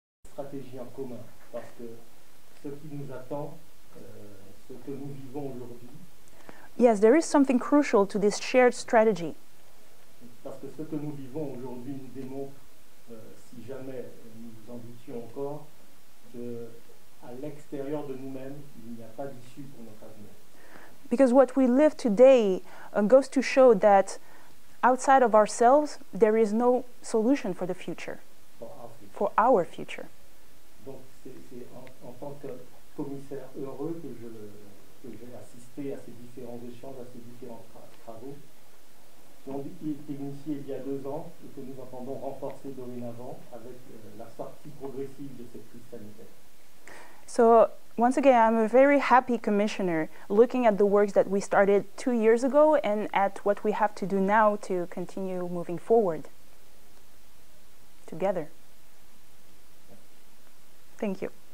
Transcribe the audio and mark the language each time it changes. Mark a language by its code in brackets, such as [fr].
[fr] Stratégie en commun, parce que ce qui nous attend, ce que nous vivons aujourd'hui. [en] Yes, there is something crucial to this shared strategy. [fr] Parce que ce que nous vivons aujourd'hui nous démontre, si jamais nous en doutions encore, qu'à l'extérieur de nous-mêmes, il n'y a pas d'issue pour notre avenir. [en] Because what we live today goes to show that outside of ourselves, there is no solution for the future. For our future. [fr] Donc c'est en tant que commissaire heureux que j'ai assisté à ces différents échanges, à ces différents travaux. Donc il est initié il y a deux ans et que nous entendons renforcer dorénavant avec la sortie progressive de cette crise sanitaire. [en] So, once again, I'm a very happy commissioner looking at the works that we started 2 years ago and at what we have to do now to continue moving forward together. Thank you.